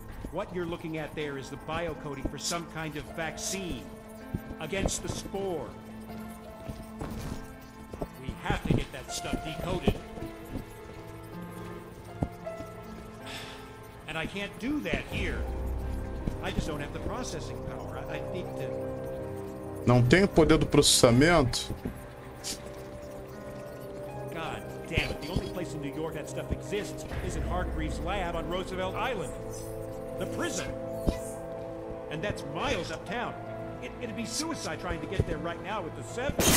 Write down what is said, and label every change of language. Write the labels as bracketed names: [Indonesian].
[English] What you're looking at there is the biocoding for some kind of vaccine against the spore. Have to get that stuff decoded. And I can't do that here. I just don't have the processing power. I need to. [Portuguese] Não tem poder do processamento. [English] God damn it. The only place in New York that stuff exists is in Hargreaves' lab on Roosevelt Island. The prison. And that's miles uptown. It'd be suicide trying to get there right now with the seven.